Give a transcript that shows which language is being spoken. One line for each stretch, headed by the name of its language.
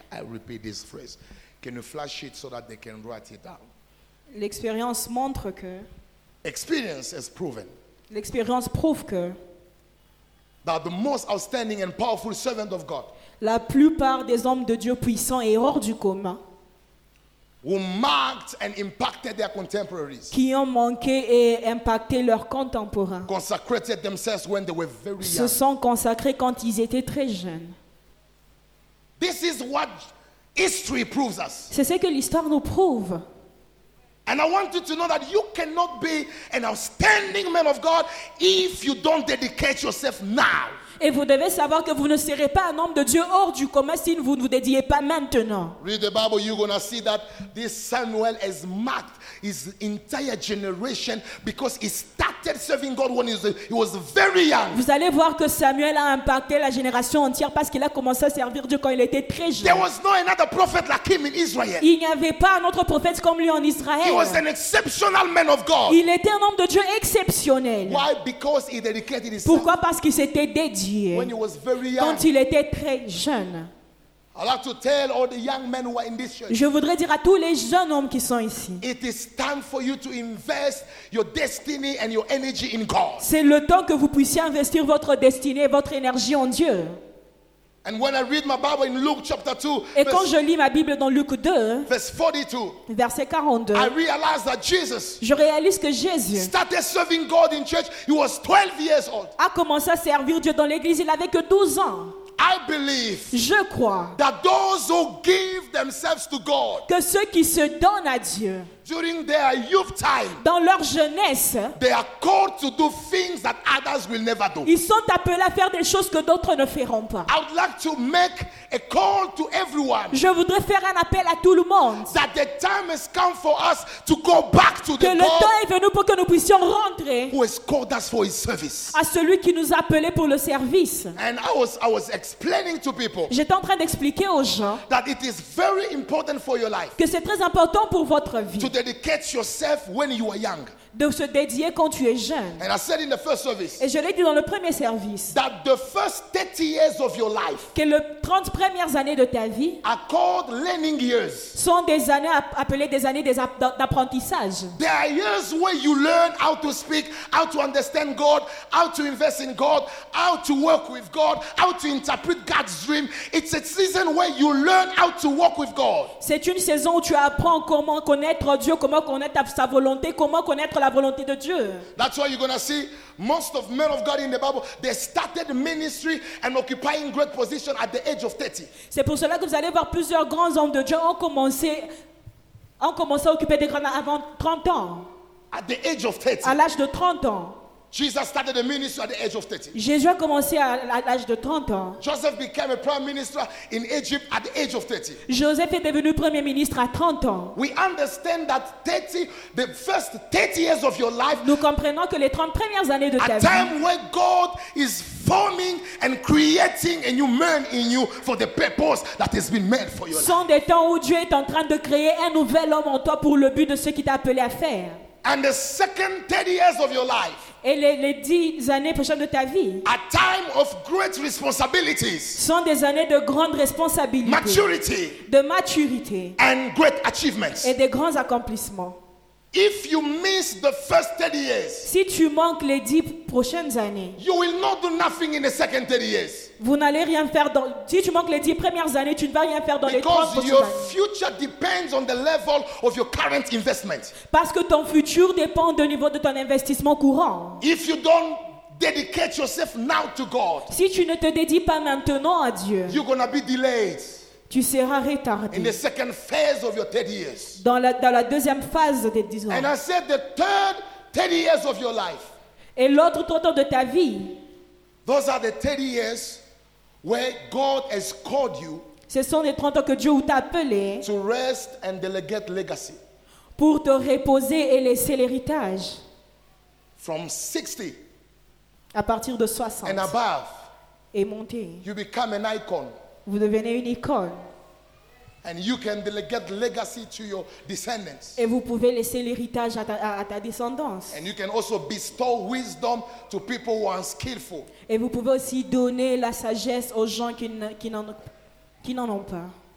English: I repeat this phrase. Can you flash it so that they can write it down?
French: L'expérience montre que
English: experience has proven.
French: L'expérience prouve que
English: that the most outstanding and powerful servant of God.
French: La plupart des hommes de Dieu puissants et hors du commun.
English: Who marked and impacted their contemporaries.
French: Qui ont manqué et impacté leurs contemporains.
English: Consecrated themselves when they were very young.
French: Se sont consacrés quand ils étaient très jeunes.
English: This is what history proves us.
French: C'est ce que l'histoire nous prouve.
English: And I want you to know that you cannot be an outstanding man of God if you don't dedicate yourself now.
French: Et vous devez savoir que vous ne serez pas un homme de Dieu hors du commun si vous ne vous dédiez pas maintenant.
English: Read the Bible, you're gonna see that this Samuel has marked his entire generation because he started serving God when he was very young.
French: Vous allez voir que Samuel a impacté la génération entière parce qu'il a commencé à servir Dieu quand il était très jeune.
English: There was no another prophet like him in Israel.
French: Il n'y avait pas un autre prophète comme lui en Israël.
English: He was an exceptional man of God.
French: Il était un homme de Dieu exceptionnel.
English: Why? Because he dedicated his
French: Pourquoi parce qu'il s'était dédié.
English: When he was very young.
French: Quand il était très jeune.
English: I'd like to tell all the young men who are in this church.
French: Je voudrais dire à tous les jeunes hommes qui sont ici.
English: It is time for you to invest your destiny and your energy in God.
French: C'est le temps que vous puissiez investir votre destinée et votre énergie en Dieu.
English: And when I read my Bible in Luke chapter 2,
French: et quand je lis ma Bible dans Luc 2,
English: verse 42,
French: verset 42,
English: I realize that Jesus,
French: je réalise que Jésus,
English: started serving God in church. He was 12 years old.
French: A commencé à servir Dieu dans l'église. Il avait que 12 ans.
English: I believe,
French: je crois,
English: that those who give themselves to God,
French: que ceux qui se donnent à Dieu.
English: During their youth time,
French: dans leur jeunesse,
English: they are called to do things that others will never do.
French: Ils sont appelés à faire des choses que d'autres ne feront pas.
English: I would like to make a call to everyone.
French: Je voudrais faire un appel à tout le monde.
English: That the time has come for us to go back to the God.
French: Que le temps est venu pour que nous puissions rentrer.
English: Who has called us for His service?
French: À celui qui nous a appelés pour le service.
English: And I was explaining to people.
French: J'étais en train d'expliquer aux gens.
English: That it is very important for your life.
French: Que c'est très important pour votre vie.
English: To dedicate yourself when you are young.
French: de se dédier quand tu es jeune.
English: And I said in the first service,
French: et je l'ai dit dans le premier service,
English: that the first 30 years of your life,
French: que les 30 premières années de ta vie
English: are called learning years,
French: sont des années appelées des années d'apprentissage.
English: There are years where you learn how to speak, how to understand God, how to invest in God, how to work with God, how to interpret God's dream. It's a season where you learn how to walk with God.
French: C'est une saison où tu apprends comment connaître Dieu, comment connaître sa volonté, comment connaître la volonté de Dieu.
English: That's why you're going to see most of men of God in the Bible, they started ministry and occupying great position at the age of 30.
French: C'est pour cela que vous allez voir plusieurs grands hommes de Dieu ont commencé à occuper des grands avant 30 ans.
English: At the age of 30.
French: À l'âge de 30 ans.
English: Jesus started the ministry at the age of 30.
French: Jésus a commencé à l'âge de 30 ans.
English: Joseph became a prime minister in Egypt at the age of 30.
French: Joseph est devenu premier ministre à 30 ans.
English: We understand that 30, the first 30 years of your life,
French: nous comprenons que les 30 premières années de ta vie,
English: a time where God is forming and creating a new man in you for the purpose that has been made for your life.
French: Sont des temps où Dieu est en train de créer un nouvel homme en toi pour le but de ce qu'il t'a appelé à faire.
English: And the second 30 years of your life,
French: et les 10 années prochaines de ta vie,
English: a time of great responsibilities,
French: sont des années de grandes responsabilités,
English: maturity,
French: de maturité,
English: and great achievements,
French: et des grands accomplissements.
English: If you miss the first 30 years,
French: si tu manques les 10 prochaines années,
English: you will not do nothing in the second 30 years.
French: Vous n'allez rien faire dans, si tu manques les 10 premières années, tu ne vas rien faire dans
English: because
French: les 30 prochaines
English: your
French: années.
English: Future depends on the level of your current investment.
French: Parce que ton futur dépend du niveau de ton investissement courant.
English: If you don't dedicate yourself now to God,
French: si tu ne te dédies pas maintenant à Dieu,
English: you're gonna be delayed.
French: Tu seras retardé
English: in the second phase of your 30 years.
French: Dans la deuxième phase des 10 ans.
English: And I said the third 30 years of your life,
French: et l'autre temps de ta vie,
English: those are the 30 years where God has called you,
French: ce sont les 30 ans que Dieu t'a appelé,
English: to rest and delegate legacy,
French: pour te reposer et laisser l'héritage,
English: from 60,
French: à partir de 60,
English: and above,
French: et monter,
English: you become an icon,
French: vous devenez une icône,
English: and you can delegate legacy to your descendants,
French: et vous pouvez laisser l'héritage à ta descendance,
English: and you can also bestow wisdom to people who are skillful,
French: et vous pouvez aussi donner la sagesse aux gens qui n'en ont pas,